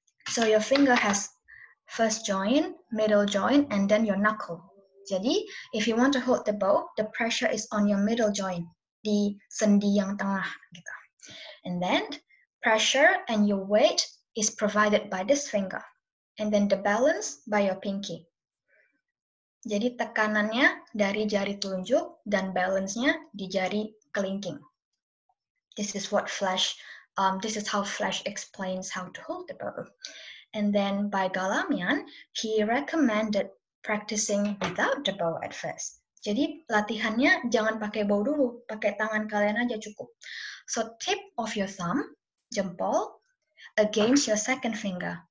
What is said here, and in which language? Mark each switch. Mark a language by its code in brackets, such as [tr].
[en] So your finger has first joint, middle joint, and then your knuckle. Jadi, if you want to hold the bow, the pressure is on your middle joint, [id] di sendi yang tengah. Gitu. [en] And then, pressure and your weight is provided by this finger. And then the balance by your pinky. [id] Jadi, tekanannya dari jari telunjuk dan balance-nya di jari kelingking. [en] This is what Flash... this is how Flash explains how to hold the bow. And then by Galamian, he recommended practicing without the bow at first. [id] Jadi latihannya jangan pakai bow dulu, pakai tangan kalian aja cukup. [en] So tip of your thumb, jempol, against your second finger.